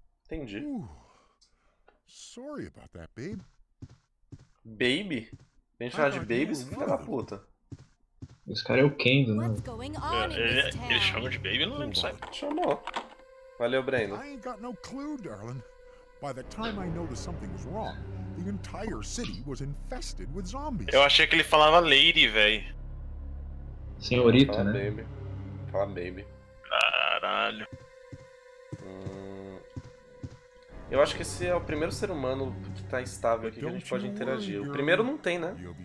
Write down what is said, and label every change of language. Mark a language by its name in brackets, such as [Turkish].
[Portuguese] Entendi. [English] Sorry about that, babe. Baby? [Portuguese] Vem chamar de baby, você fica da puta. Esse cara é o Kendo, né? Ele chama de baby, não lembro, sabe? Chamou. Valeu, Breno. [English] I ain't got no clue, darling. By the time I noticed something was wrong, the entire city was infested with zombies. [Portuguese] Eu achei que ele falava lady, velho. Senhorita, fala, né? Baby. Fala baby. Caralho. Eu acho que esse é o primeiro ser humano que tá estável aqui que a gente pode interagir. O primeiro não tem, né?